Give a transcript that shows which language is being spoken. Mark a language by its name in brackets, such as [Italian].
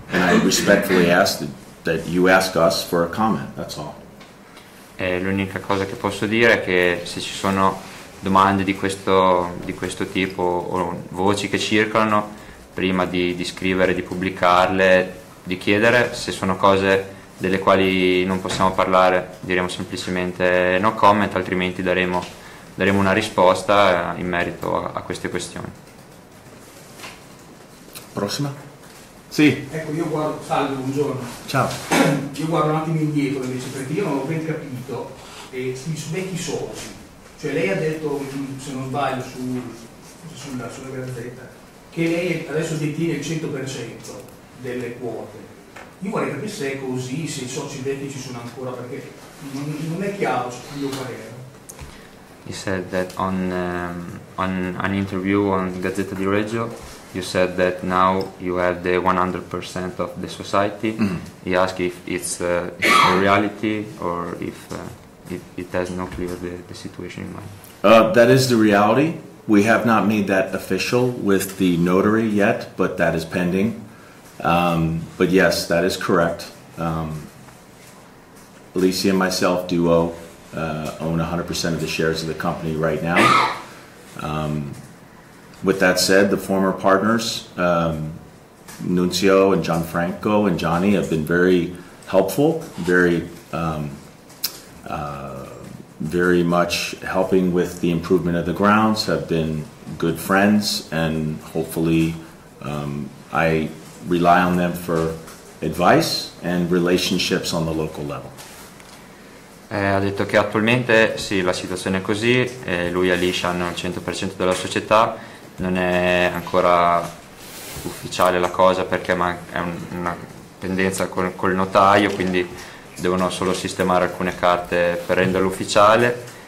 [English] And I respectfully ask that you ask us for a comment, that's all. [Italian] L'unica cosa che posso dire è che se ci sono domande di questo tipo o voci che circolano, prima di scrivere, di pubblicarle, di chiedere, se sono cose delle quali non possiamo parlare, diremo semplicemente no comment, altrimenti daremo una risposta in merito a queste questioni. Prossima? Sì. Ecco, io guardo, salve, buongiorno. Ciao. Io guardo un attimo indietro invece, perché io non ho ben capito i vecchi soci. Cioè lei ha detto, se non sbaglio, sulla gazzetta, che lei adesso detiene il 100% delle quote. Io vorrei capire se è così, se i soci vecchi ci sono ancora, perché non è chiaro sul mio parere. [English] He said that on an interview on Gazzetta di Reggio, you said that now you have the 100% of the society. Mm-hmm. He asked if it's a reality or if it has no clear the situation in mind. That is the reality. We have not made that official with the notary yet, but that is pending. But yes, that is correct. Alicia and myself do own 100% of the shares of the company right now. With that said, the former partners, Nunzio and Gianfranco and Johnny, have been very helpful, very much helping with the improvement of the grounds, have been good friends, and hopefully I rely on them for advice and relationships on the local level. [Italian] Ha detto che attualmente sì, la situazione è così, lui e Alicia hanno il 100% della società. Non è ancora ufficiale la cosa perché è una pendenza col notaio, quindi devono solo sistemare alcune carte per renderlo ufficiale.